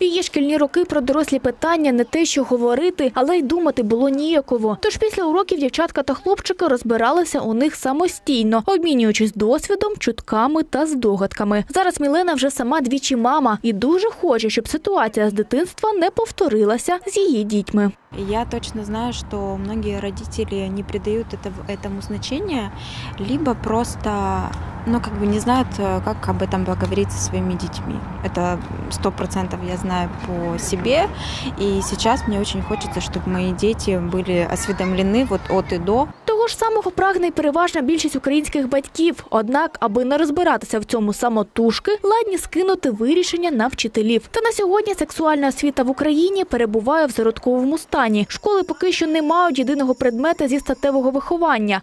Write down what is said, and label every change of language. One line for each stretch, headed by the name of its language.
Ukrainian: У її шкільні роки про дорослі питання не те, що говорити, але й думати було ніяково. Тож після уроків дівчатка та хлопчики розбиралися у них самостійно, обмінюючись досвідом, чутками та здогадками. Зараз Мілена вже сама двічі мама і дуже хоче, щоб ситуація з дитинства не повторилася з її дітьми.
Russian: Я точно знаю, что многие родители не придают этому значения, либо просто, ну, как бы не знают, как об этом поговорить со своими детьми. Это 100% я знаю по себе, и сейчас мне очень хочется, чтобы мои дети были осведомлены вот от и до.
Ukrainian: Того ж самого прагне переважна більшість українських батьків. Однак, аби не розбиратися в цьому самотужки, ладні скинути вирішення на вчителів. Та на сьогодні сексуальна освіта в Україні перебуває в зародковому стані. Школи поки що не мають єдиного предмета зі статевого виховання.